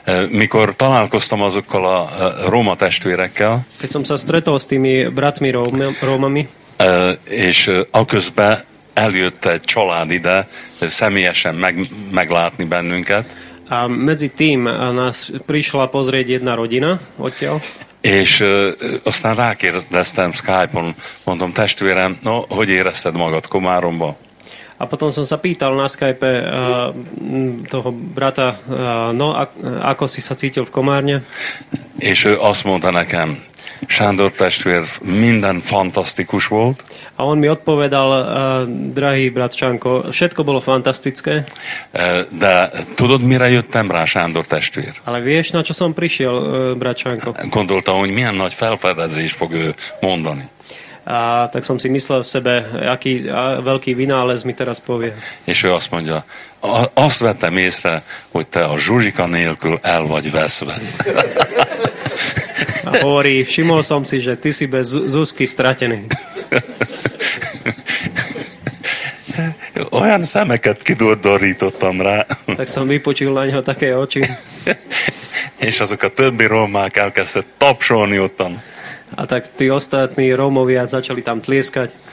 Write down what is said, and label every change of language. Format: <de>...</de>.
<hu>Mikor találkoztam azokkal a Róma testvérekkel,</hu> <sk>keď som sa stretol s tými bratmi Rómami,</sk> <hu>és aközben eljött egy család ide személyesen meglátni bennünket.</hu> <sk>A medzi tým nás prišla pozrieť jedna rodina odtiaľ.</sk> <hu>És aztán rákérdeztem Skype-on, mondom, testvérem, no, hogy érezted magad Komáromba?</hu> <sk>A potom som sa pýtal na Skype toho brata, no, ako si sa cítil v Komárne?</sk> <hu>És ő azt mondta nekem, Sándor testvér, minden fantasztikus volt.</hu> <sk>A on mi odpovedal, drahý brat Čanko, všetko bolo fantastické.</sk> <hu>De tudod, mire jöttem rá, Sándor testvér?</hu> <sk>Ale vieš, na čo som prišiel, brat Čanko?</sk> <hu>Gondolta, hogy milyen nagy felfedezés fog ő mondani.</hu> <sk>A tak som si myslel v sebe, aký veľký vynález mi teraz povie.</sk> <hu>És ő azt mondja, azt vettem észre, hogy te a Zsuzsika nélkül el vagy veszve.</hu> <sk>A hovorí, všimol som si, že ty si bez Zuzky stratený.</sk> <hu>Olyan szemeket kidorítottam rá.</hu> <sk>Tak som vypočil na ňo také oči.</sk> <hu>És azok a többi romák elkezdett tapsolni ottan.</hu> <sk>A tak tí ostatní Rómovia začali tam tlieskať.</sk>